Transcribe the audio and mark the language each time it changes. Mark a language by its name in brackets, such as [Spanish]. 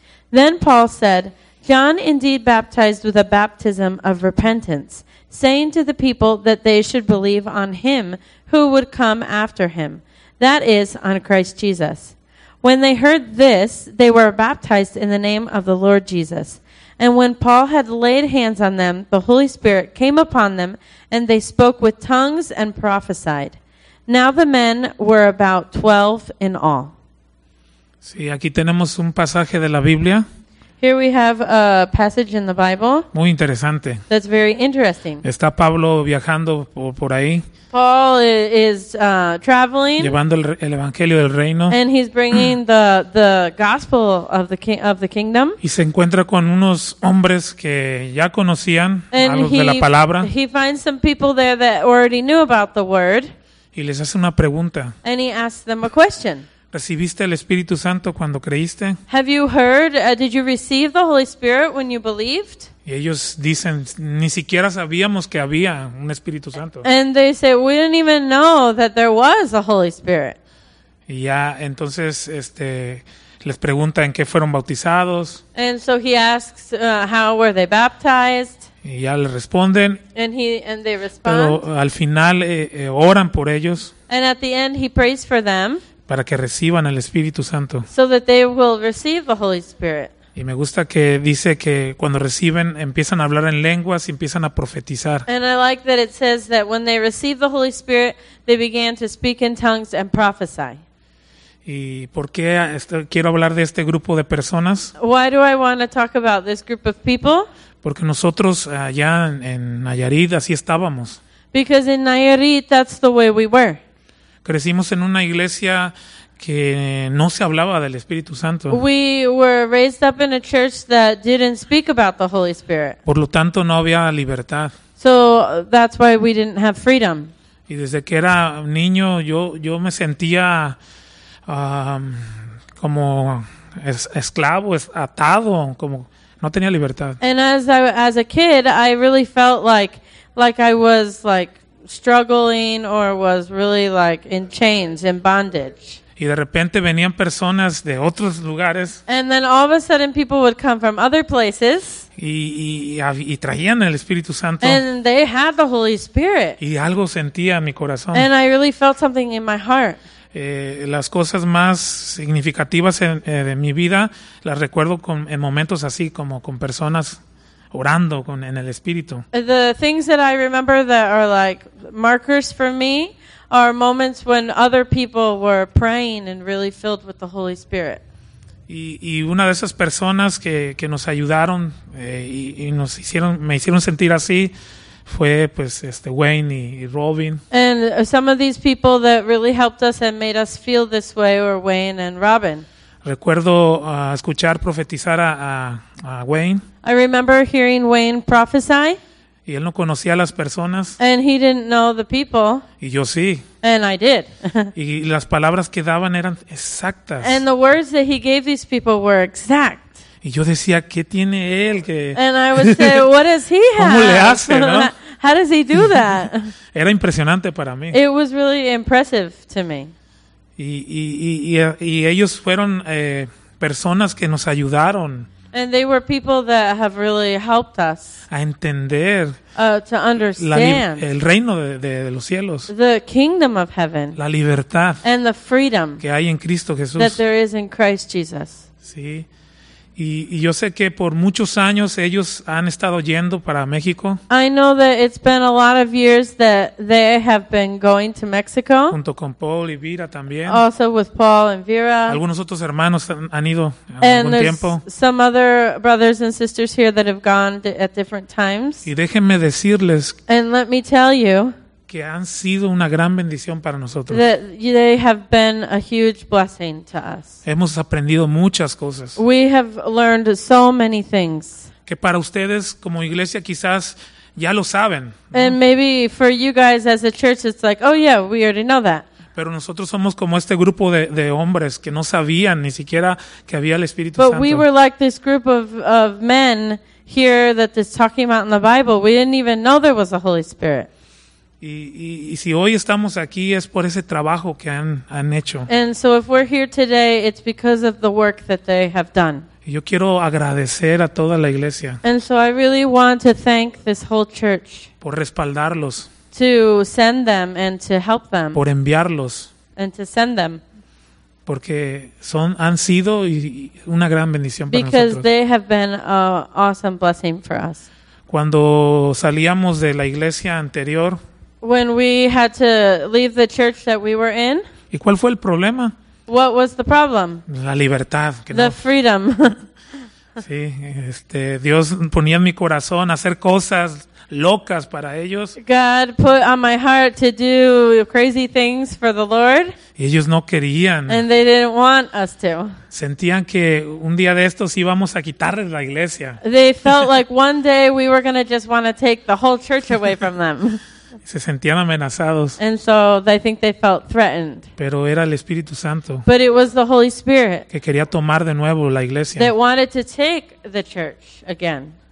[English] Then Paul said, "John indeed baptized with a baptism of repentance, saying to the people that they should believe on him who would come after him, that is, on Christ Jesus." When they heard this, they were baptized in the name of the Lord Jesus. And when Paul had laid hands on them, the Holy Spirit came upon them, and they spoke with tongues and prophesied. Now the men were about 12 in all. [Spanish] Sí, aquí tenemos un pasaje de la Biblia. [English] Here we have a passage in the Bible. [Spanish] Muy interesante. [English] That's very interesting. [Spanish] Está Pablo viajando por ahí. [English] Paul is traveling. [Spanish] Llevando el evangelio del reino. [English] And he's bringing the gospel of the kingdom. [Spanish] Y se encuentra con unos hombres que ya conocían [English] and [Spanish] a los de la palabra. [English] He finds some people there that already knew about the word. [Spanish] Y les hace una pregunta. [English] And he asks them a question. [Spanish] ¿Recibiste el Espíritu Santo cuando creíste? [English] Have you heard? Did you receive the Holy Spirit when you believed? [Spanish] Y ellos dicen, ni siquiera sabíamos que había un Espíritu Santo. [English] And they say, we didn't even know that there was a Holy Spirit. [Spanish] Y ya, entonces, les pregunta en qué fueron bautizados. [English] And so he asks, how were they baptized? [Spanish] Y ya le responden. [English] And they respond. [Spanish] Pero al final oran por ellos. [English] And at the end he prays for them. [Spanish] Para que reciban el Espíritu Santo. [English] So that they will receive the Holy Spirit. [Spanish] Y me gusta que dice que cuando reciben empiezan a hablar en lenguas y empiezan a profetizar. [English] And I like that it says that when they received the Holy Spirit, they began to speak in tongues and prophesy. [Spanish] ¿Y por qué quiero hablar de este grupo de personas? [English] Why do I want to talk about this group of people? [Spanish] Porque nosotros allá en Nayarit así estábamos. [English] Because in Nayarit that's the way we were. [Spanish] Crecimos en una iglesia que no se hablaba del Espíritu Santo. [English] We were raised up in a church that didn't speak about the Holy Spirit. [Spanish] Por lo tanto, no había libertad. [English] So that's why we didn't have freedom. [Spanish] Y desde que era niño, yo me sentía como esclavo, atado, como no tenía libertad. [English] And as a kid, I really felt like I was like struggling or was really like in chains, in bondage. [Spanish] Y de repente venían personas de otros lugares. [English] And then all of a sudden people would come from other places. [Spanish] Y traían el Espíritu Santo. [English] And they had the Holy Spirit. [Spanish] Y algo sentía en mi corazón. [English] And I really felt something in my heart. [Spanish] Las cosas más significativas de mi vida las recuerdo en momentos así, como con personas orando en el Espíritu. [English] The things that I remember that are like markers for me are moments when other people were praying and really filled with the Holy Spirit. [Spanish] Y una de esas personas que nos ayudaron y nos hicieron, me hicieron sentir así, fue pues Wayne y Robin. [English] And some of these people that really helped us and made us feel this way were Wayne and Robin. [Spanish] Recuerdo escuchar profetizar a Wayne. [English] I remember hearing Wayne prophesy. [Spanish] Y él no conocía a las personas. [English] And he didn't know the people. [Spanish] Y yo sí. [English] And I did. [Spanish] Y las palabras que daban eran exactas. [English] And the words that he gave these people were exact. [Spanish] Y yo decía, ¿qué tiene él que? [English] And I would say, what does he have? [Spanish] ¿Cómo le hace, no? [English] How does he do that? [Spanish] Era impresionante para mí. [English] It was really impressive to me. [Spanish] Y ellos fueron personas que nos ayudaron. [English] And they were people that have really helped us. [Spanish] A entender. [English] To understand. [Spanish] El reino de los cielos. [English] The kingdom of heaven. [Spanish] La libertad. [English] And the freedom. [Spanish] Que hay en Cristo Jesús. [English] That there is in Christ Jesus. [Spanish] Sí. Y yo sé que por muchos años ellos han estado yendo para México. [English] I know that it's been a lot of years that they have been going to Mexico. [Spanish] Junto con Paul y Vera también. [English] Also with Paul and Vera. [Spanish] Algunos otros hermanos han ido algún tiempo. [English] And there's some other brothers and sisters here that have gone at different times. [Spanish] Y déjenme decirles. [English] And let me tell you. [Spanish] Que han sido una gran bendición para nosotros. [English] They have been a huge blessing to us. [Spanish] Hemos aprendido muchas cosas. [English] We have learned so many things. [Spanish] Que para ustedes como iglesia quizás ya lo saben, ¿no? [English] And maybe for you guys as a church it's like, oh yeah, we already know that. [Spanish] Pero nosotros somos como este grupo de hombres que no sabían ni siquiera que había el Espíritu Santo. [English] But we were like this group of men here that is talking about in the Bible. We didn't even know there was a Holy Spirit. [Spanish] Y si hoy estamos aquí es por ese trabajo que han hecho. [English] And so if we're here today, it's because of the work that they have done. [Spanish] Y yo quiero agradecer a toda la iglesia. [English] And so I really want to thank this whole church. [Spanish] Por respaldarlos. [English] To send them and to help them. [Spanish] Por enviarlos. [English] And to send them. [Spanish] Porque han sido una gran bendición para nosotros. [English] Because they have been an awesome blessing for us. [Spanish] Cuando salíamos de la iglesia anterior. [English] When we had to leave the church that we were in. [Spanish] ¿Y cuál fue el problema? [English] What was the problem? [Spanish] La libertad. Que [English] the [Spanish] no. [English] Freedom. [Spanish] Sí, Dios ponía en mi corazón hacer cosas locas para ellos. [English] God put on my heart to do crazy things for the Lord. [Spanish] Y ellos no querían. [English] And they didn't want us to. [Spanish] Sentían que un día de estos íbamos a quitarles la iglesia. [English] They felt like one day we were going to just want to take the whole church away from them. [Spanish] Se sentían amenazados. [English] And so I think they felt threatened. [Spanish] Pero era el Espíritu Santo. [English] But it was the Holy Spirit. [Spanish] Que quería tomar de nuevo la iglesia. [English] That wanted to take the church again.